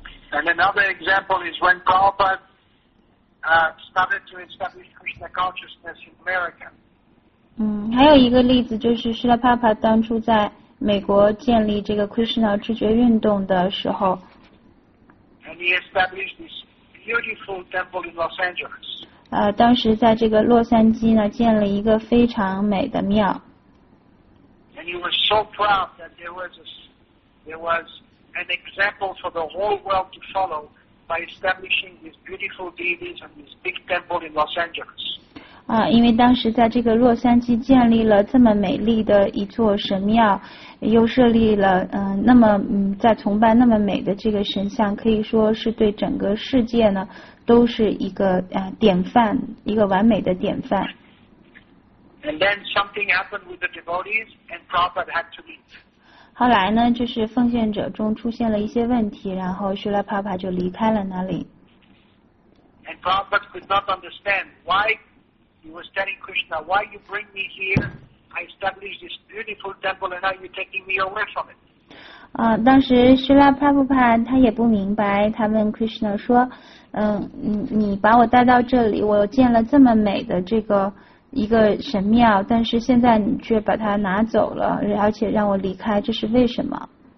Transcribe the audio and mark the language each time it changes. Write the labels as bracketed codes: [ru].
[en] ？And another example is when Prabhupada. Started to establish Krishna consciousness in America. [zh] 还有一个例子就是 Srila Prabhupada 当初在美国建立这个 Krishna 知觉运动的时候。 [en] And he established this beautiful temple in Los Angeles. [zh] 当时在这个洛杉矶呢建了一个非常美的庙。 [en] And he was so proud that there was an example for the whole world to follow by establishing these beautiful deities and this big temple in Los Angeles. [zh] 因为当时在这个洛杉矶建立了这么美丽的一座神庙，又设立了在崇拜那么美的这个神像，可以说是对整个世界呢都是一个典范，一个完美的典范。 [en] And then something happened with the devotees, and Prabhupada had to leave. [zh] 后来呢，就是奉献者中出现了一些问题，然后舍利帕帕就离开了那里。 [en] And Prabhupada could not understand why he was telling Krishna, "Why you bring me here? I established this beautiful temple, and now you're taking me away from it." [zh] 当时舍利帕帕帕他也不明白，他问 Krishna 说，你把我带到这里，我建了这么美的这个。一个神庙，但是现在你却把它拿走了，而且让我离开，这是为什么？